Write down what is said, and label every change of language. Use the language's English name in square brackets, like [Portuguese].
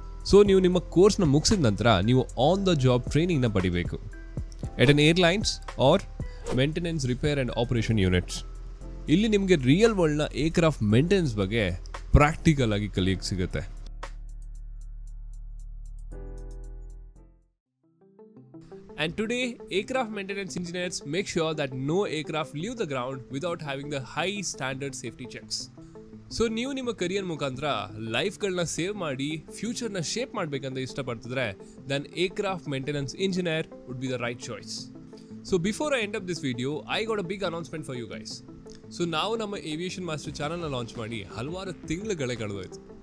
[Kannada] So ನೀವು ನಿಮ್ಮ ಕೋರ್ಸ್ನ ಮುಗಿಸಿದ ನಂತರ ನೀವು ಆನ್ ದ ಜಾಬ್ ಟ್ರೈನಿಂಗ್ನ ಪಡಿಬೇಕು [English] At an airlines or maintenance repair and operation units. [Kannada] ಇಲ್ಲಿ ನಿಮಗೆ ರಿಯಲ್ ವರ್ಲ್ಡ್ನ ಏರ್ಕ್ರಾಫ್ಟ್ ಮೇಂಟೆನೆನ್ಸ್ ಬಗ್ಗೆ ಪ್ರಾಕ್ಟಿಕಲ್ ಆಗಿ ಕಲಿಯಕ್ಕೆ ಸಿಗುತ್ತೆ. [English] And today, aircraft maintenance engineers make sure that no aircraft leave the ground without having the high standard safety checks. [Kannada] So, ನೀವು ನಿಮ್ಮ career ಮುಖಾಂತರ ಲೈಫ್ಗಳನ್ನ save ಮಾಡಿ ಫ್ಯೂಚರ್ನ ಶೇಪ್ ಮಾಡಬೇಕಂತ ಇಷ್ಟಪಡ್ತಿದ್ರೆ, [English] Then aircraft maintenance engineer would be the right choice. So before I end up this video, I got a big announcement for you guys. So [Kannada] ನಾವು ನಮ್ಮ aviation master ಚಾನಲ್ನ launch ಮಾಡಿ ಹಲವಾರು ತಿಂಗಳುಗಳೇ ಕಳೆದೋಯ್ತು.